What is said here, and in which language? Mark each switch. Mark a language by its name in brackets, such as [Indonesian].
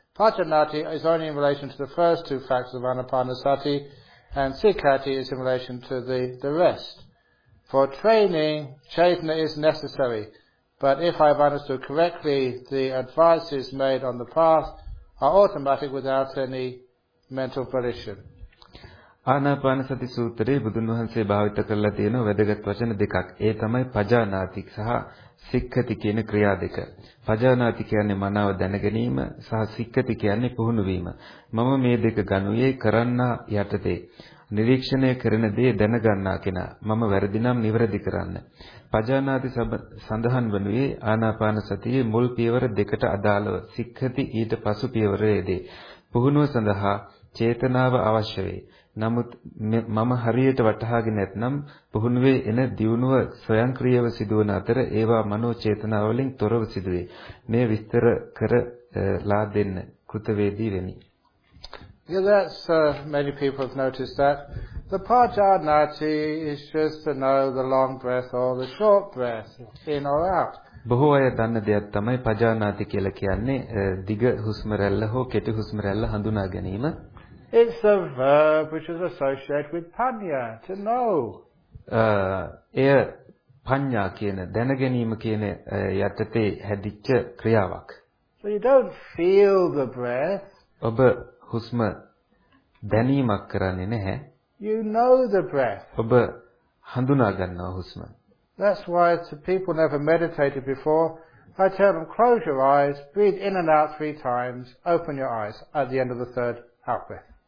[English] Pajanati is only in relation to the first two facts of Anapanasati, and Sikkhati is in relation to the rest. For training, chaitanya is necessary. But if I have understood correctly, the advices made on the path are automatic without any mental volition. [Sinhala] ආනාපානසති සූත්‍රයේ බුදුන් වහන්සේ භාවිත කරලා තියෙන වැදගත් වචන දෙකක්. ඒ තමයි පජානාති සහ සික්ඛති කියන ක්‍රියා දෙක. පජානාති කියන්නේ මනාව දැන ගැනීම සහ සික්ඛති කියන්නේ පුහුණු වීම. මම මේ දෙක ගනුයේ කරන්න යටතේ. නිරීක්ෂණය කරන දේ දැනගන්නා කෙනා මම වැරදිනම් නිවැරදි කරන්න. පජානාති සඳහන් වනුයේ ආනාපාන සතියේ මුල් පියවර දෙකට අදාළව සික්ඛති ඊට පසු පියවරයේදී පුහුණුව සඳහා චේතනාව අවශ්‍ය වේ. නමුත් මම හරියට වටහාගෙන නැත්නම් පුහුණුවේ එන දියුණුව ස්වයංක්‍රීයව සිදුවන අතර ඒවා මනෝ චේතනාවලින් තොරව සිදුවේ. මේ විස්තර කරලා දෙන්න කෘතවේදී වෙමි. [English] Yeah, that's many people have noticed that. The Pajanati is just to know the long breath or the short breath, in or out. [Sinhala] බොහෝ අය දන්න දෙයක් තමයි පජානාති කියලා කියන්නේ දිග හුස්ම රැල්ල හෝ කෙටි හුස්ම රැල්ල හඳුනා ගැනීම. [English] It's a verb which is associated with panya, to know. [Sinhala] එය පඤ්ඤා කියන දැන ගැනීම කියන යටතේ හැදිච්ච ක්‍රියාවක්. [English] So you don't feel the breath. [Sinhala] ඔබ හුස්ම දැනීමක් කරන්නේ නැහැ. [English] You know the breath. [Sinhala] ඔබ හඳුනා ගන්නවා හුස්ම. [English] That's why the people never meditated before. I tell them, close your eyes, breathe in and out 3 times, open your eyes at the end of the 3rd out breath.